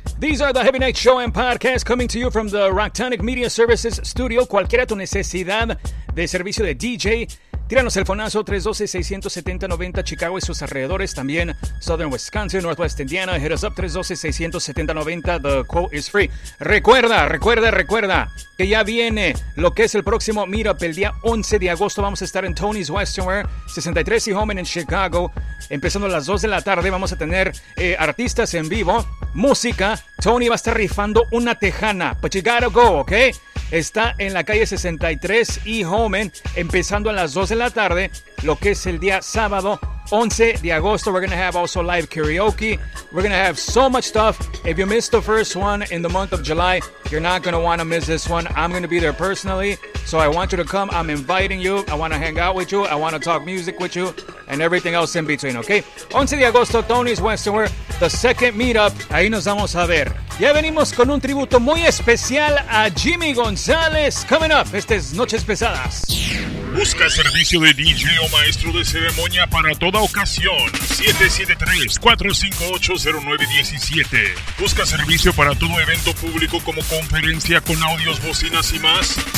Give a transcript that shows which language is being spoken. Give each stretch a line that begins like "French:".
English: These are the Heavy Night Show and Podcast coming to you from the Rocktonic Media Services Studio.
Spanish: Cualquiera tu necesidad de servicio de DJ, tíranos el fonazo 312-670-90 Chicago y sus alrededores, también Southern Wisconsin, Northwest Indiana.
English: Hit us up 312-670-90, the quote is free.
Spanish: Recuerda que ya viene lo que es el próximo meetup. El día 11 de agosto vamos a estar en Tony's Western Wear, 63 y Homan en Chicago, empezando a las 2 de la tarde. Vamos a tener artistas en vivo, música. Tony va a estar rifando una tejana,
English: but you gotta go, ok.
Spanish: Está en la calle 63 y Homan, empezando a las 2 de la tarde, lo que es el día sábado 11 de agosto.
English: We're going to have also live karaoke. We're going to have so much stuff. If you missed the first one in the month of July, you're not going to want to miss this one. I'm going to be there personally, so I want you to come. I'm inviting you. I want to hang out with you. I want to talk music with you and everything else in between, okay?
Spanish: 11 de agosto, Tony's Western Wear,
English: the second meetup.
Spanish: Ahí nos vamos a ver. Ya venimos con un tributo muy especial a Jimmy González.
English: Coming up,
Spanish: este es Noches Pesadas. Busca servicio de DJ o maestro de ceremonia para toda ocasión. 773-458-0917. Busca servicio para todo evento público como conferencia con audios, bocinas y más.